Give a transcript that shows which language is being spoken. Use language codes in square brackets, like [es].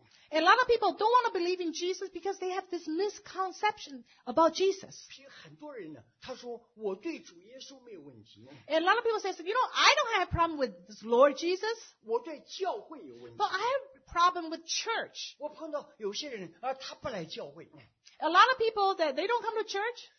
[en] a lot of people don't want to believe in Jesus because they have this misconception about Jesus. [zh] 很多人呢, 他说, [en] and a lot of people say, you know, I don't have a problem with this Lord Jesus, but I have a problem with church. [zh] 我碰到有些人, 他不来教会, [en] a lot of people that they don't come to church.